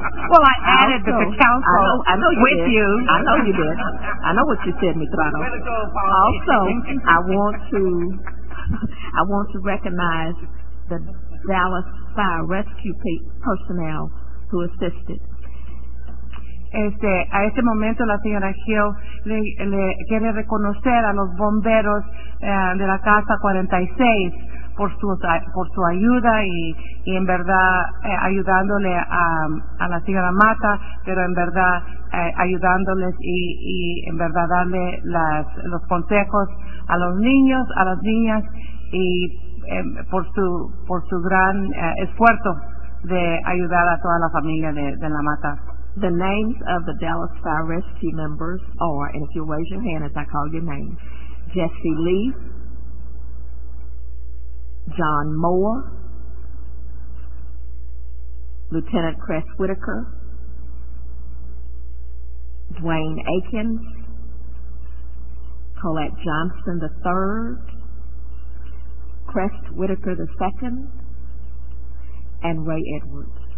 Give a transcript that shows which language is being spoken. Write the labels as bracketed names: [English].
[English] Well, I added that the council I know you did. I know you did. I know what you said, Mitrano. Also, I want to recognize the Dallas Fire Rescue personnel who assisted. [Spanish] A este momento la señora Hill le quiere reconocer a los bomberos de la casa 46 por su ayuda y en verdad ayudándole a la señora Mata, pero en verdad ayudándoles y en verdad darle los consejos a los niños, a las niñas y por su gran esfuerzo de ayudar a toda la familia de la Mata. [English] The names of the Dallas Fire Rescue members are, and if you raise your hand as I call your name, Jesse Lee, John Moore, Lieutenant Cress Whitaker, Dwayne Akins, Colette Johnson III, Cress Whitaker II, and Ray Edwards.